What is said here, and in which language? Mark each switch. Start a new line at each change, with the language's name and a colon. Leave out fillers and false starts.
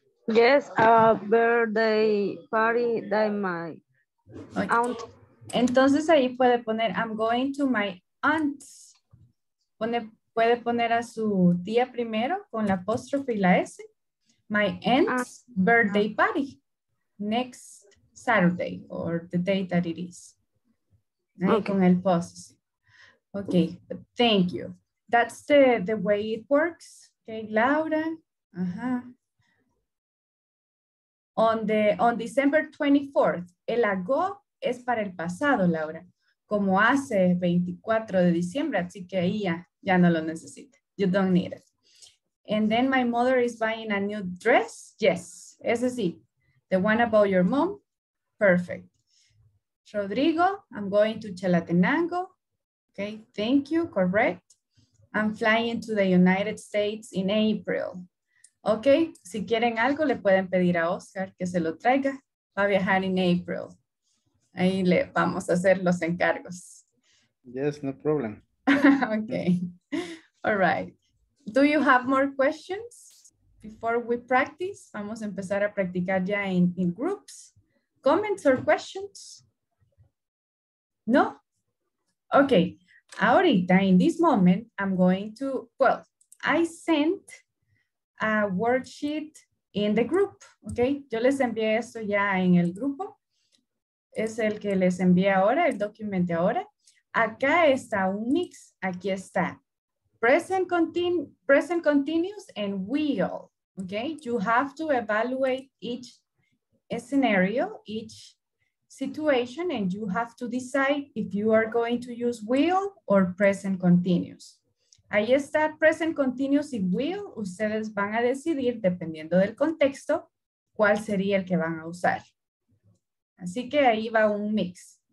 English: Yes, a birthday party by my aunt.
Spanish: Entonces ahí puede poner
English: I'm going to my aunt's.
Spanish: Puede poner a su tía primero con la apóstrofe y la S.
English: My aunt's birthday party. Next Saturday or the day that it is. Okay.
Spanish: Con el post.
English: Okay, but thank you. That's the way it works. Okay, Laura. Uh-huh. On December 24th,
Spanish: el ago es para el pasado, Laura. Como hace 24 de diciembre, así que ahí ya no lo necesita.
English: You don't need it. And then my mother is buying a new dress. Yes,
Spanish: ese sí.
English: The one about your mom. Perfect. Rodrigo, I'm going to Chalatenango. Okay, thank you. Correct. I'm flying to the United States in April.
Spanish: Okay, si quieren algo, le pueden pedir a Oscar que se lo traiga. Va a viajar
English: in April.
Spanish: Ahí le vamos a hacer los encargos. Yes, no problem. Okay. All right. Do you have more questions before we practice? Vamos a empezar a practicar ya
English: in groups. Comments or questions? No? Okay.
Spanish: Ahorita,
English: in this moment, I'm going to, well, I sent a worksheet in the group. Okay.
Spanish: Yo les envié esto ya en el grupo. Es el que les envié ahora, el documento ahora. Acá está un
English: mix.
Spanish: Aquí está.
English: Present continuous and will. Okay. You have to evaluate each scenario, each situation, and you have to decide if you are going to use will or present continuous.
Spanish: Ahí está present continuous y will. Ustedes van a decidir, dependiendo del contexto, cuál sería el que van a usar. Así que ahí va un mix.